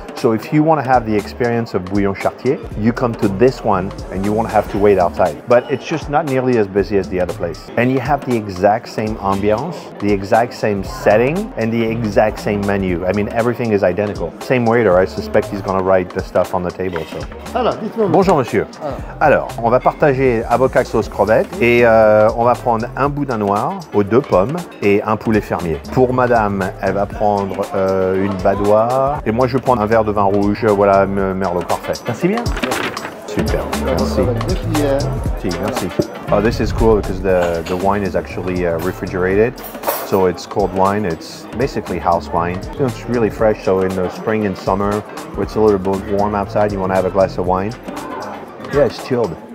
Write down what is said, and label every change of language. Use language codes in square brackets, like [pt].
[en] So if you wanna have the experience of Bouillon Chartier, you come to this one and you won't have to wait outside. But it's just not nearly as busy as the other place. And you have the exact same ambiance, the exact same setting, and the exact same menu. I mean, everything is identical. Same waiter, I suspect he's gonna write the stuff on the table, so. [fr] Alors, dites-moi. Bonjour, monsieur. Alors, on va partager avocat sauce crevette, et on va prendre un boudin noir aux deux pommes et un poulet fermier. Pour madame, elle va prendre une badoie, et moi, je vais prendre un verre de vin rouge, voilà, merlot, parfait. Merci bien. Super, merci. Si, merci. [en] Oh, this is cool because the wine is actually refrigerated. So it's cold wine, it's basically house wine. It's really fresh, so in the spring and summer, where it's a little bit warm outside, you wanna have a glass of wine. Yeah, it's chilled.